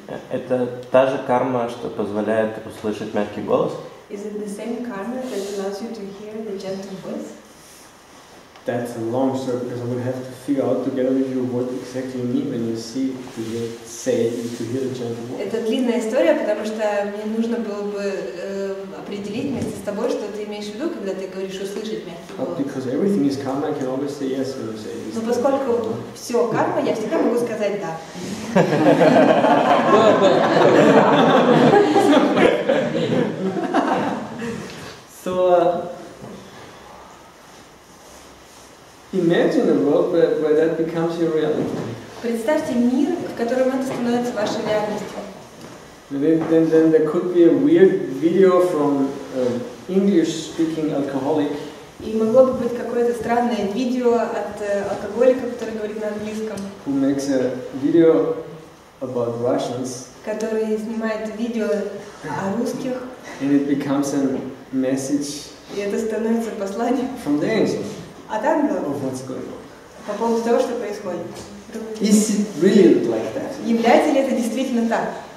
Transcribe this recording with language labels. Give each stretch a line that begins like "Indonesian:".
Russian: Это та же карма, что позволяет услышать мягкий голос?
English: Is it the same karma that allows you to hear the gentle voice? That's a long story, because I would have to figure out together with you what exactly you mean when you see to hear, say it and to hear the gentle voice.
Russian: Это длинная история, потому что мне нужно было бы определить вместе с тобой, что ты имеешь в виду, когда ты говоришь услышать мягкий голос.
English: But because everything is karma, I can always say yes when you say this.
Russian: Но поскольку все карма, я всегда могу сказать да.
English: So, imagine a world where that becomes your reality.
Russian: Представьте мир, в котором это становится вашей реальностью.
English: Then there could be a weird video from an English-speaking alcoholic.
Russian: И могло бы быть какое-то странное видео от алкоголика, который говорит на английском.
English: Who makes a video about Russians?
Russian: Который снимает видео о русских.
English: And it becomes a message.
Russian: И это становится посланием.
English: From the angel.
Russian: От ангела.
English: Of what's going on.
Russian: По поводу того, что происходит.
English: Is it really like that?
Russian: Является ли это действительно так?